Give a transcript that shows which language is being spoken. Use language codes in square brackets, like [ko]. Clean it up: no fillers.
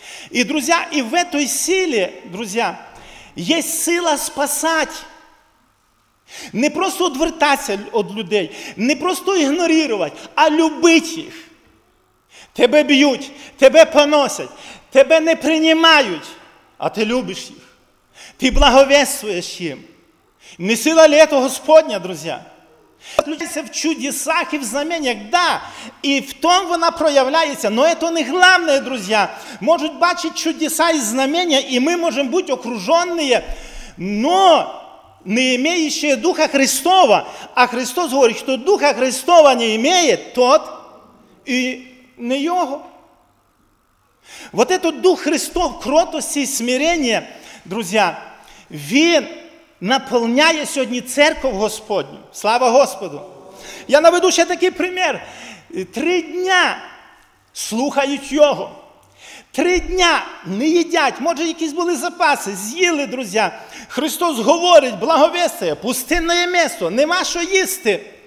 [uk] І, друзі, і в цій силі, друзі, є сила спасати. Не просто відвертатися від людей, не просто ігнорувати, а любити їх. Тебе б'ють, тебе поносять, тебе не приймають, а ти любиш їх. Ти благовествуєш їм. [ru] Не сила ли это Господня, друзья? Отключиться в чудесах и в знамениях, да. [uk] И в том вона проявляється. [ru] Но это не главное, друзья. [uk] Можуть бачити [ru] чудеса и знамения, и мы можем быть окруженные, но не имеющие Духа Христова. А Христос говорит, что Духа Христова не имеет тот и не Его. Вот этот Дух Христов кротости и смирения, друзья, [uk] він наполняє сьогодні церковь Господню. Слава Господу! Я наведу ще такий примір. 3 дні слухають його. 3 дні не їдять. Може, якісь були запаси. З'їли, друзі. Христос говорить, благовестує, пустинне місце, нема що їсти.